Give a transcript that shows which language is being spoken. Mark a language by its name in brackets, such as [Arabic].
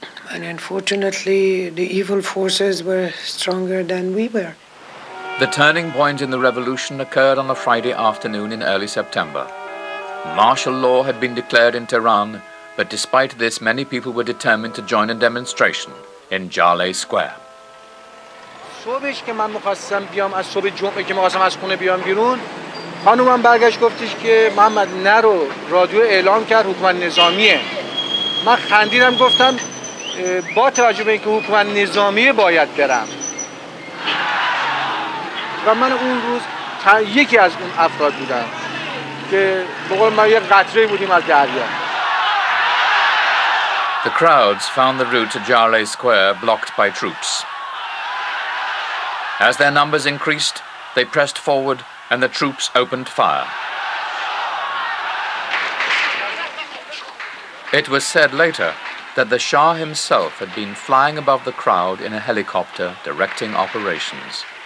[English] And unfortunately, the evil forces were stronger than we were. The turning point in the revolution occurred on a Friday afternoon in early September. Martial law had been declared in Tehran, but despite this, many people were determined to join a demonstration in Jarlay Square. [Persian] صبحش که من می‌خواستم بیام از صبح جمعه که می‌خواستم از خونه بیام بیرون خانومم برگشت گفتش که محمد نرو رادیو اعلام کرد حکومت نظامیه من خندیدم گفتم با توجه به اینکه حکومت نظامیه باید برم و من اون روز یکی از اون افراد بودم که به قول من یک قطره بودیم از دریا. [English] The crowds found the route to Jarlay Square blocked by troops. As their numbers increased, they pressed forward and the troops opened fire. It was said later that the Shah himself had been flying above the crowd in a helicopter directing operations.